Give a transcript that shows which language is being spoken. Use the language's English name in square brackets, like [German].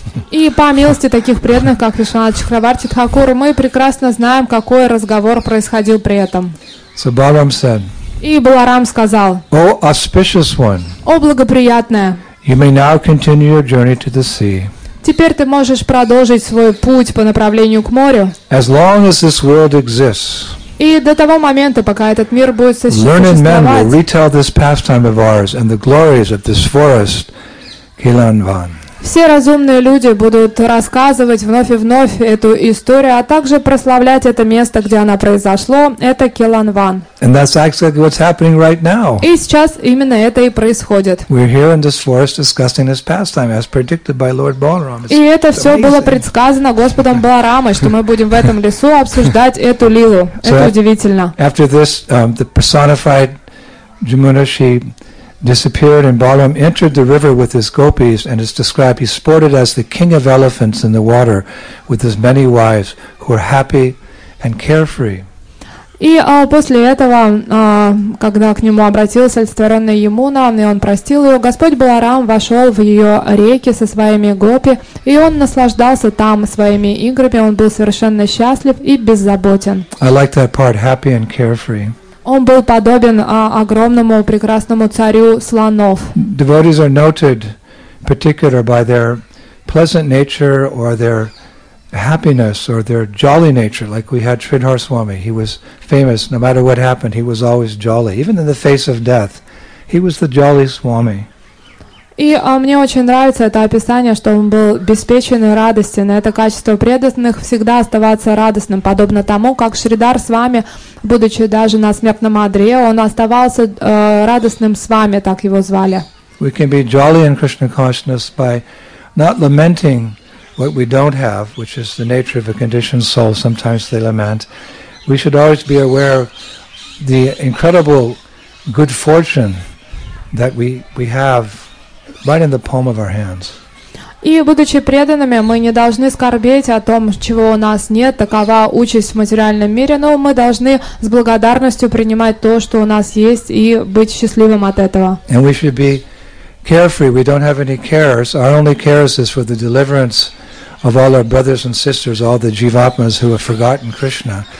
[Russian] И по милости таких преданных, как Вишванатх Чакраварти Тхакур, мы прекрасно знаем, какой разговор происходил при этом. [English] So Balaram said. [Russian] И Баларам сказал. [English] O auspicious one. [Russian] О благоприятная. [English] You may now continue your journey to the sea. [Russian] Теперь ты можешь продолжить свой путь по направлению к морю. [English] As long as this world exists. [Russian] И до того момента, пока этот мир будет существовать. [English] Learned men will retell this pastime of ours and the glories of this forest, Kailanvan. [Russian] Все разумные люди будут рассказывать вновь и вновь эту историю, а также прославлять это место, где она произошла. Это Келанван. [English] And that's exactly what's happening right now. [Russian] И сейчас именно это и происходит. [English] We're here in this forest discussing this pastime, as predicted by Lord Balaram. [Russian] И это все было предсказано Господом Баларамой, что мы будем в этом лесу обсуждать эту лилу. Это удивительно. [English] After this, the personified Jamuna, she disappeared, and Balaram entered the river with his gopis, and it's described he sported as the king of elephants in the water with his many wives who were happy and carefree. [Russian] И после этого, когда к нему обратился олицетворенный Ямуна, и он простил ее, Господь Баларам вошел в ее реки со своими гопи, и он наслаждался там своими играми, он был совершенно счастлив и беззаботен. [English] I like that part, happy and carefree. [Russian] Он был подобен огромному прекрасному царю слонов. [English] Devotees are noted particular by their pleasant nature or their happiness or their jolly nature, like we had Sridhar Swami. He was famous, no matter what happened, he was always jolly. Even in the face of death, he was the jolly Swami. [Russian] И мне очень нравится это описание, что он был беспечен и радостен. Это качество преданных всегда оставаться радостным, подобно тому, как Шридар с вами, будучи даже на смертном одре, он оставался радостным с вами, так его звали. [English] We can be jolly in Krishna consciousness by not lamenting what we don't have, which is the nature of a conditioned soul. Sometimes they lament. We should always be aware of the incredible good fortune that we have. Right in the palm of our hands. [Russian] И будучи преданными, мы не должны скорбеть о том, чего у нас нет, такова участь в материальном мире, но мы должны с благодарностью принимать то, что у нас есть, и быть счастливым от этого. [English] And we should be carefree. We don't have any cares. Our only cares is for the deliverance of all our brothers and sisters, all the jivatmas who have forgotten Krishna.